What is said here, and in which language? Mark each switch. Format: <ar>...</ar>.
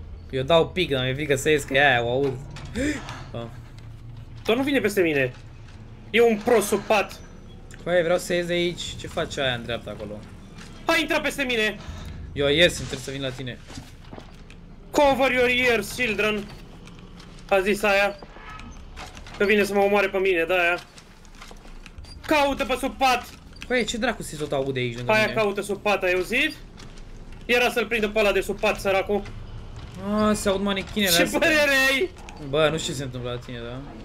<ro>Eu dau pic, dar mi-e frică să ies, că e aia, o aud. Tot nu vine peste mine. E un prosupat. Coaie, vreau să ies de aici. Ce face aia în dreapta acolo? A intrat peste mine. Eu ies, îmi trebuie să vin la tine.</ro> <en>Cover your ears, children.</en> <ro>A zis aia. Că vine să mă omoare pe mine, da aia. Caută pe sub pat. Păi, ce dracu se tot aude aici lângă aia mine? Aia caută sub pat, ai auzit? Era să-l prindă pe ăla de sub pat, săracu. Ah, se aud manechinele astea. Ce părere ai? Bă, nu știu ce se întâmplă la tine, da?</ro>